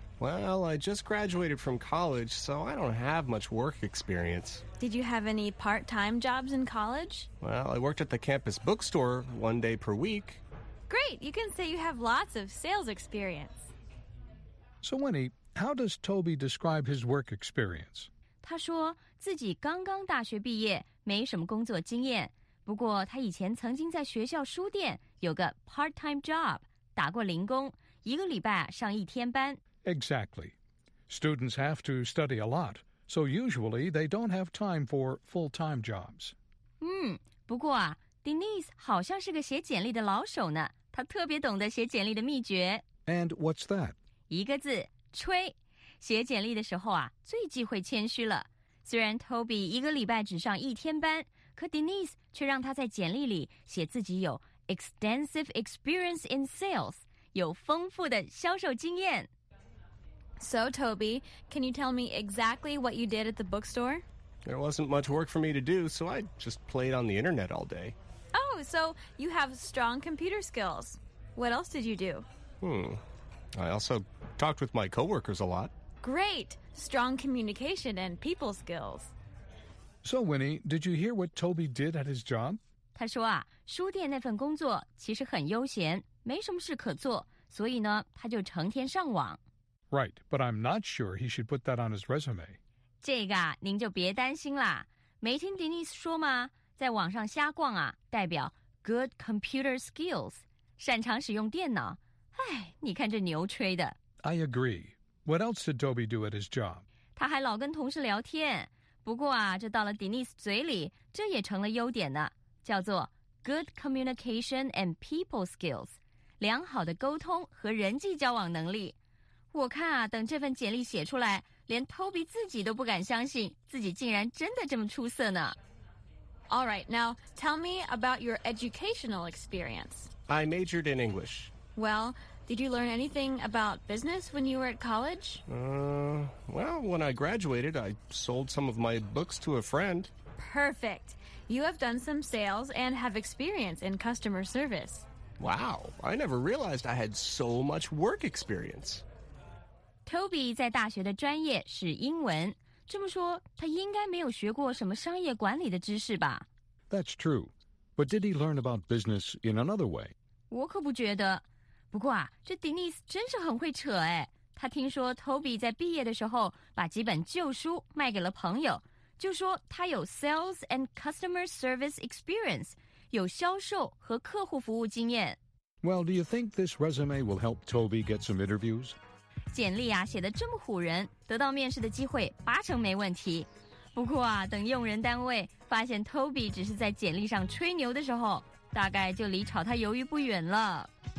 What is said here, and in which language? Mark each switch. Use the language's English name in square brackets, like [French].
[English] Well, I just graduated from college, so I don't have much work experience. Did you have any part-time jobs in college? Well, I worked at the campus bookstore one day per week. Great! You can say you have lots of sales experience. So, Winnie, how does Toby describe his work experience? [Chinese] 他说自己刚刚大学毕业，没什么工作经验。不过他以前曾经在学校书店有个 [English] part-time job, [Chinese] 打过零工，一个礼拜上一天班。 [English] Exactly. Students have to study a lot, so usually they don't have time for full-time jobs. [Chinese] 不过啊 ,Denise 好像是个写简历的老手呢，她特别懂得写简历的秘诀。 [English] And what's that? [Chinese] 一个字，吹。写简历的时候啊，最忌讳谦虚了。虽然 Toby 一个礼拜只上一天班，可 Denise 却让他在简历里写自己有 [English] extensive experience in sales, [Chinese] 有丰富的销售经验。 [English] So, Toby, can you tell me exactly what you did at the bookstore? There wasn't much work for me to do, so I just played on the internet all day. Oh, so you have strong computer skills. What else did you do? I also talked with my coworkers a lot. Great! Strong communication and people skills. So, Winnie, did you hear what Toby did at his job? [Chinese] 他说啊，书店那份工作其实很悠闲，没什么事可做，所以呢，他就成天上网。 [English] Right, but I'm not sure he should put that on his resume. [Chinese] 这个啊，您就别担心啦。没听 Denise 说吗？在网上瞎逛啊，代表 [English] good computer skills, [Chinese] 擅长使用电脑。哎，你看这牛吹的。 [English] I agree. What else did Toby do at his job? [Chinese] 他还老跟同事聊天。不过啊，这到了 Denise 嘴里，这也成了优点呢，叫做 [English] good communication and people skills, [Chinese] 良好的沟通和人际交往能力。我看啊，等这份简历写出来，连 Toby 自己都不敢相信自己竟然真的这么出色呢。 [English] All right, now tell me about your educational experience. I majored in English. Well, did you learn anything about business when you were at college? When I graduated, I sold some of my books to a friend. Perfect. You have done some sales and have experience in customer service. Wow, I never realized I had so much work experience. [Chinese] Toby 在大学的专业是英文，这么说，他应该没有学过什么商业管理的知识吧 [English] ？That's true, but did he learn about business in another way? [Chinese] 我可不觉得。不过啊，这 Denise 真是很会扯哎。他听说 Toby 在毕业的时候把几本旧书卖给了朋友，就说他有 [English] sales and customer service experience, [Chinese] 有销售和客户服务经验。 [English] Well, do you think this resume will help Toby get some interviews? [Chinese] 简历啊写得这么唬人，得到面试的机会八成没问题。不过啊，等用人单位发现 Toby 只是在简历上吹牛的时候，大概就离炒他鱿鱼不远了。